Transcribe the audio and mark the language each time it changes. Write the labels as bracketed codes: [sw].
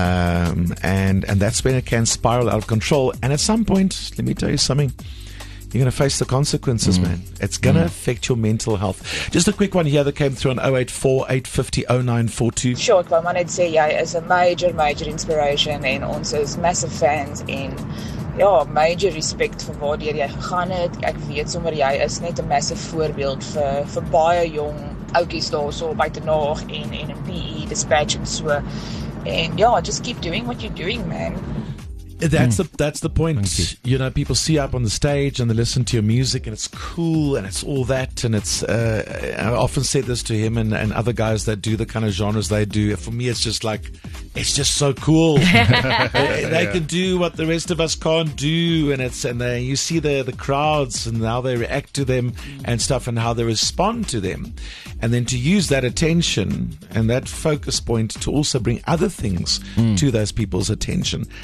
[en] And that's when it can spiral out of control. And at some point, let me tell you something, you're going to face the consequences, man. It's going to affect your mental health. Just a quick one here that came through on 0848500942. Short one. I'd say yeah, it's a major, major inspiration, and also is massive fans in. [af] Ja, major respect vir waar deur jy gegaan het. Ek weet sommer jy is net 'n massive voorbeeld vir baie jong ouetjies daarso buite naag en in PE dispatch en so. [en] And ja, just keep doing what you're doing, man. That's the point. You know, people see you up on the stage and they listen to your music and it's cool and it's all that, and it's I often say this to him and other guys that do the kind of genres they do. For me, it's just like, it's just so cool. they can do what the rest of us can't do, and you see the crowds and how they react to them and stuff and how they respond to them, and then to use that attention and that focus point to also bring other things to those people's attention.